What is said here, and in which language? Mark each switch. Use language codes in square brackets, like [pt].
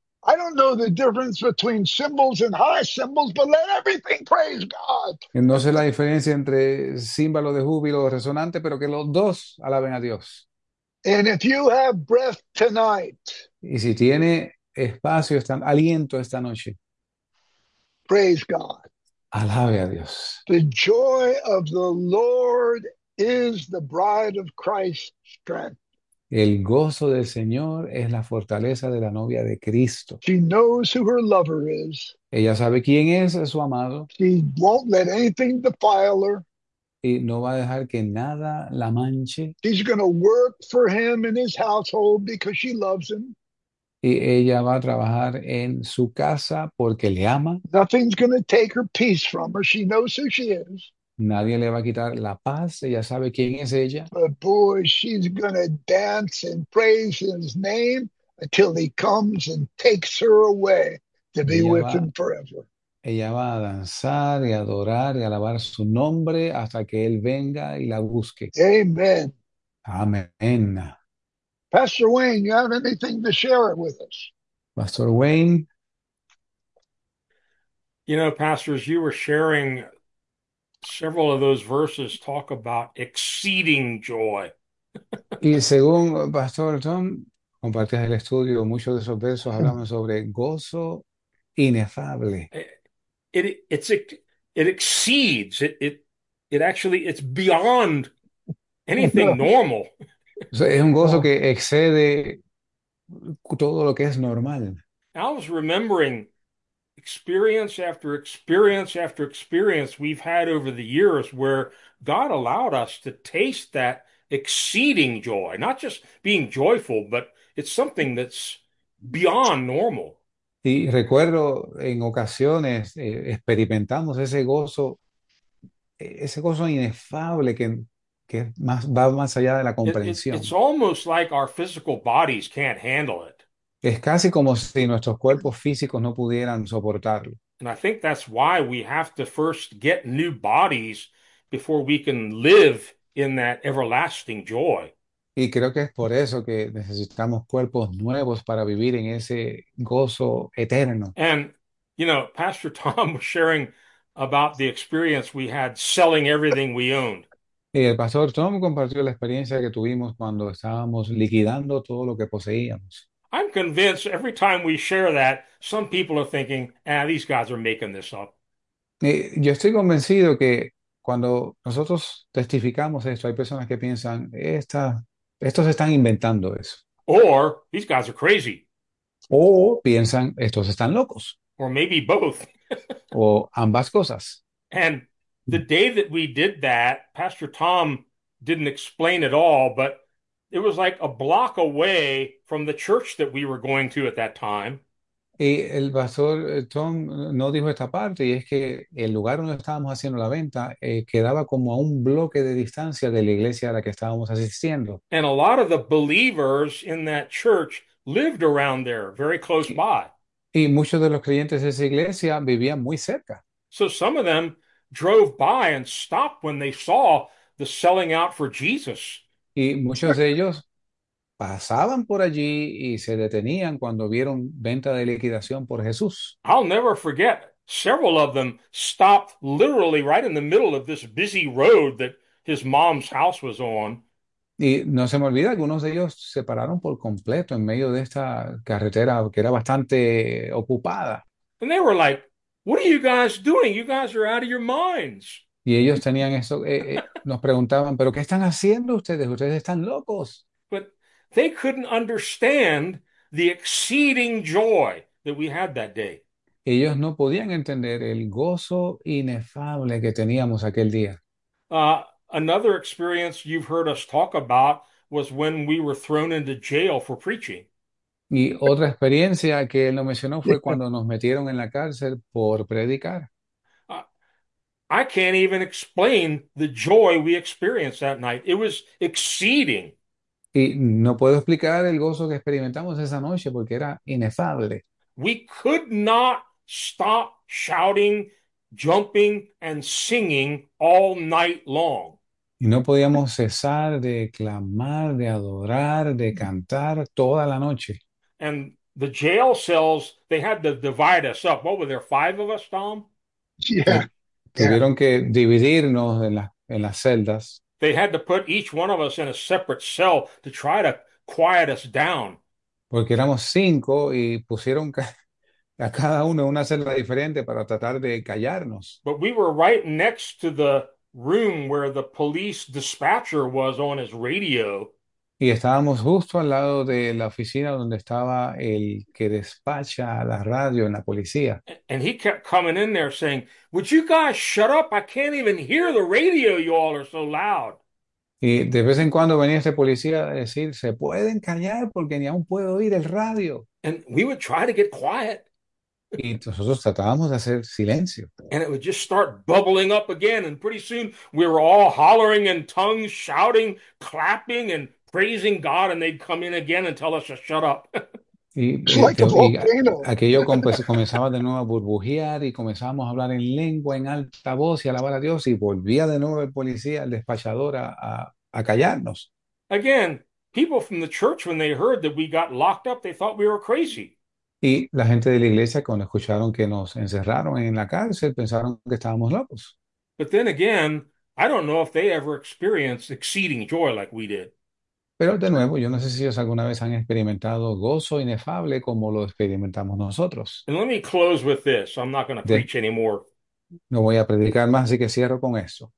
[en] I don't know the difference between cymbals and high cymbals, but let everything praise God. [es] Y no sé la diferencia entre címbalo de júbilo o resonante, pero que los dos alaben a Dios. [en] And if you have breath tonight, [es] Y si tiene espacio, aliento esta noche, [en] praise God. [es] alabe a Dios. [en] The joy of the Lord is the bride of Christ's strength. [es] El gozo del Señor es la fortaleza de la novia de Cristo. [en] She knows who her lover is. [es] Ella sabe quién es su amado [en] She won't let anything defile her. [es] y no va a dejar que nada la manche. [en] She's going to work for him in his household because she loves him. [es] Y ella va a trabajar en su casa porque le ama. [en] Nothing's going to take her peace from her. She knows who she is. [es] Nadie le va a quitar la paz. Ella sabe quién es ella. [en] But boy, she's going to dance and praise his name until he comes and takes her away to be [es] Ella [en] with [es] va [en] him forever. [es] Ella va a danzar y a adorar y a alabar su nombre hasta que él venga y la busque. [en] Amen. [es] Amén. [en] Pastor Wayne, you have anything to share it with us? Pastor Wayne. Pastors, you were sharing several of those verses talk about exceeding joy. [es] Y según Pastor Tom, compartías el estudio, muchos de esos versos hablaban sobre gozo inefable. [en] It exceeds it actually it's beyond anything [es] No. [en] normal. [es] Es un gozo que excede todo lo que es normal. [en] I was remembering experience after experience after experience we've had over the years where God allowed us to taste that exceeding joy, not just being joyful, but it's something that's beyond normal. [es] Y recuerdo en ocasiones experimentamos ese gozo inefable que más, va más allá de la [en] It's [es] comprensión. [en] almost like our physical bodies can't handle it. [es] Es casi como si nuestros cuerpos físicos no pudieran soportarlo. [en] And I think that's why we have to first get new bodies before we can live in that everlasting joy. [es] Y creo que es por eso que necesitamos cuerpos nuevos para vivir en ese gozo eterno. [en] And, Pastor Tom was sharing about the experience we had selling everything we owned. [es] Y el pastor Tom compartió la experiencia que tuvimos cuando estábamos liquidando todo lo que poseíamos. [en] I'm convinced every time we share that, some people are thinking, ah, these guys are making this up. [es] Y yo estoy convencido que cuando nosotros testificamos esto, hay personas que piensan, estos están inventando eso. [en] Or these guys are crazy. [es] O piensan, estos están locos. [en] Or maybe both. [es] O ambas cosas. [en] And the day that we did that, Pastor Tom didn't explain it all, but it was like a block away from the church that we were going to at that time. [es] Y el pastor Tom no dijo esta parte, y es que el lugar donde estábamos haciendo la venta quedaba como a un bloque de distancia de la iglesia a la que estábamos asistiendo. [en] And a lot of the believers in that church lived around there, very close by. [es] Y muchos de los clientes de esa iglesia vivían muy cerca. [en] So some of them drove by and stopped when they saw the selling out for Jesus. [es] Y muchos de ellos pasaban por allí y se detenían cuando vieron venta de liquidación por Jesús. [en] I'll never forget, several of them stopped literally right in the middle of this busy road that his mom's house was on. [es] Y no se me olvida, algunos de ellos se pararon por completo en medio de esta carretera que era bastante ocupada. [en] And they were like, "What are you guys doing? You guys are out of your minds." [es] Y ellos tenían eso, nos preguntaban, ¿pero qué están haciendo ustedes? ¿Ustedes están locos? [en] They couldn't understand the exceeding joy that we had that day. [es] Ellos no podían entender el gozo inefable que teníamos aquel día. [en] Another experience you've heard us talk about was when we were thrown into jail for preaching. [es] Y otra experiencia que él no mencionó [en] Yeah. [es] fue cuando nos metieron en la cárcel por predicar. [en] I can't even explain the joy we experienced that night. It was exceeding. [es] Y no puedo explicar el gozo que experimentamos esa noche porque era inefable. [en] We could not stop shouting, jumping, and singing all night long. [es] Y no podíamos cesar de clamar, de adorar, de cantar toda la noche. [en] And the jail cells, they had to divide us up. What were there, five of us, Tom? [es] Tuvieron que dividirnos en las celdas. [en] They had to put each one of us in a separate cell to try to quiet us down. [es] Porque éramos cinco y pusieron a cada uno en una celda diferente para tratar de callarnos. [en] But we were right next to the room where the police dispatcher was on his radio. [es] Y estábamos justo al lado de la oficina donde estaba el que despacha la radio en la policía. [en] And he kept coming in there saying, "Would you guys shut up? I can't even hear the radio. You all are so loud." [es] Y de vez en cuando venía este policía a decir, se pueden callar porque ni aún puedo oír el radio. [en] And we would try to get quiet. [es] Y nosotros tratábamos de hacer silencio. [en] And it would just start bubbling up again. And pretty soon we were all hollering in tongues, shouting, clapping, and praising God. And they'd come in again and tell us to shut up. [es] Y [en] like a volcano. [es] aquello comenzaba de nuevo a burbujear y comenzábamos a hablar en lengua, en alta voz y alabar a Dios, y volvía de nuevo el policía, el despachador, a callarnos. [en] Again, people from the church, when they heard that we got locked up, they thought we were crazy. [es] Y la gente de la iglesia, cuando escucharon que nos encerraron en la cárcel, pensaron que estábamos locos. [en] But then again, I don't know if they ever experienced exceeding joy like we did. [es] Pero de nuevo, yo no sé si ellos alguna vez han experimentado gozo inefable como lo experimentamos nosotros. [en] And let me close with this. I'm not going to preach anymore. [es] No voy a predicar más, así que cierro con eso.